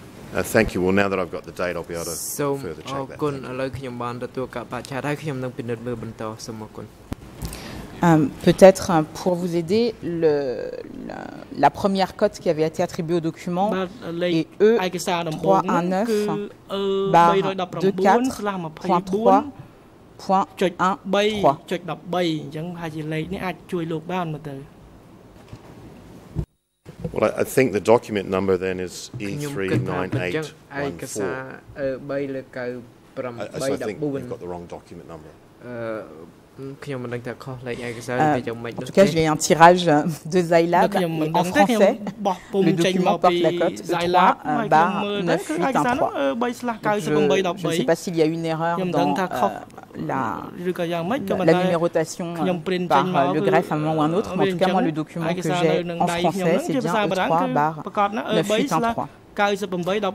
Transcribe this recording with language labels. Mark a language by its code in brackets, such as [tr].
[en] Thank you. Well, now that I've got the date, I'll be able to further check that. [fr] Peut-être pour vous aider, la première cote qui avait été attribuée au document est E319-24.3.13. [en] Well, I think the document number then is E3-9814. So I think you've got the wrong document number. [fr] En tout cas, j'ai un tirage de Zylab en français. Le document porte la cote E3-9813. Je ne sais pas s'il y a une erreur dans la numérotation par le greffe, un moment ou un autre, mais en tout cas, moi, le document que j'ai en français, c'est bien E3-9813.